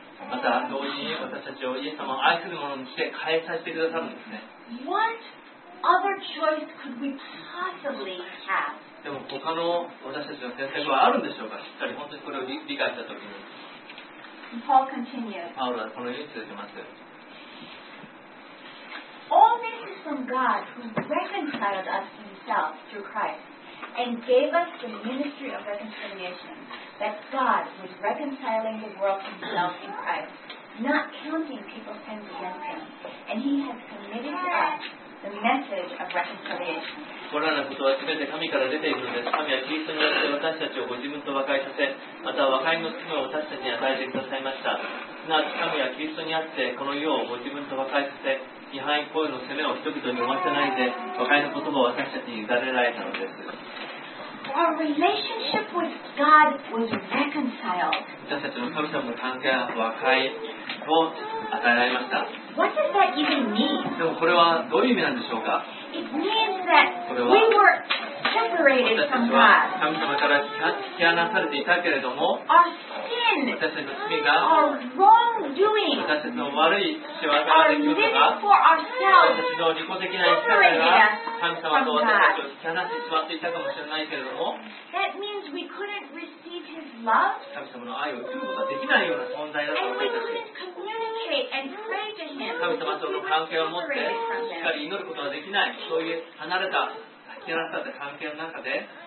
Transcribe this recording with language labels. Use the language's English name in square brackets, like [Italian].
[Japanese] また同時に私たちをイエス様を愛するものにして返させてくださるんですね。 [English] What other choice could we possibly have? [Japanese] でも他の私たちの選択はあるんでしょうか、しっかり本当にこれを 理解したときに。 [English] Paul continues. [Japanese] パウロはこのように続けます。 [English] All this is from God who reconciled us to himself through Christ and gave us the ministry of reconciliation, that God was reconciling the world to himself in Christ, not counting people's sins against him, and he has committed to us the message of reconciliation. [Japanese] これらのことは全て神から出ているのです。神はキリストによって私たちをご自分と和解させ、また和解の罪を私たちに与えてくださいました。すなわち神はキリストにあってこの世をご自分と和解させ、違反行為の責めを人々に負わせないで、和解の言葉を私たちに委ねられたのです。 [English] Our relationship with God was reconciled. [Japanese] 私たちの神様の関係は和解を与えられました。 [English] What does that even mean? [Japanese] でもこれはどういう意味なんでしょうか。 [English] It means that we were separated from God. [Japanese] 私たちは神様から引き離されていたけれども、 [English] Our sin, [Japanese] 私たちの罪が、 [English] Our wrongdoing, [Japanese] 私たちの悪い仕業が、 [English] Our living for ourselves, [Japanese] 私たちの利己的な生き方が、神様と私たちを引き離してしまっていたかもしれないけれども、 [English] That means we couldn't receive his love. [Japanese] 神様の愛を受けることができないような存在だと思います。神様との関係を持ってしっかり祈ることができない、そういう離れた引き離された関係の中で、